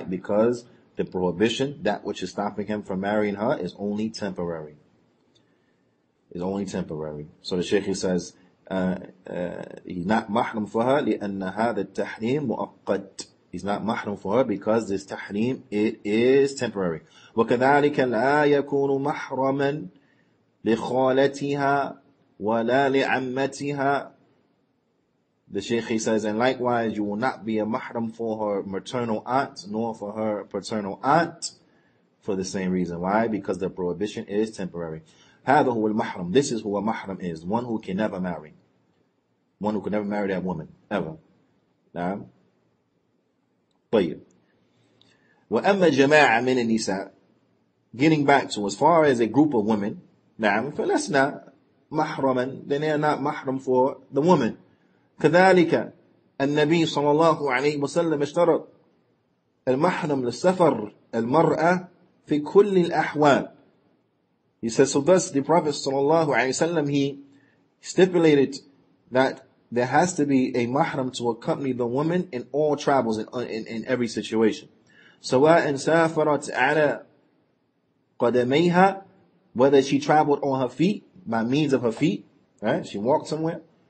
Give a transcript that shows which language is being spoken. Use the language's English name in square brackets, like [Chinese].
[English] Because the prohibition, that which is stopping him from marrying her, is only temporary. So the Shaykh says, he's not mahram for her, [Arabic] لِأَنَّ هَذَا التَّحْرِيمُ مُؤَقَّدٌ [English] He's not mahram for her because this tahrim, it is temporary. [Arabic] وَكَذَلِكَ لَا يَكُونُ مَحْرَمًا لخالتها ولا لعمتها. [English] The Shaykh says, and likewise, you will not be a mahram for her maternal aunt nor for her paternal aunt, for the same reason. Why? Because the prohibition is temporary. [Arabic] هذا هو المحرم. [English] This is who a mahram is. One who can never marry. One who can never marry that woman. Ever. نعم. طيب. [Arabic] وأما جماعة من النساء. [English] Getting back to, as far as a group of women, [Arabic] نعم فلسنا محرما, [English] then they are not mahram for the woman. [Arabic] كذلك النبي صلى الله عليه وسلم اشترط المحرم للسفر المرأة في كل الأحوال. [English] He says, so thus the Prophet صلى الله عليه وسلم, he stipulated that there has to be a mahram to accompany the woman in all travels, in every situation. [Arabic] سواء سافرت على قدميها, [English] whether she traveled on her feet, by means of her feet, right? She walked somewhere.